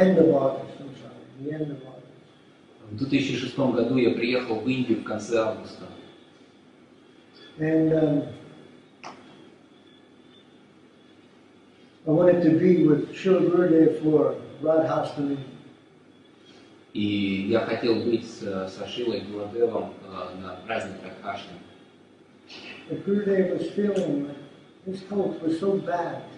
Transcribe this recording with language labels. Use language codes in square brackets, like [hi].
[ru] В 2006 году я приехал в Индию в конце августа. [en] And I wanted to be with Srila Gurudev for Radhastami. [ru] И я хотел быть со Шрилой Гурудевом на праздник Радхаштами. [en] But Gurudev was feeling like his health was so bad.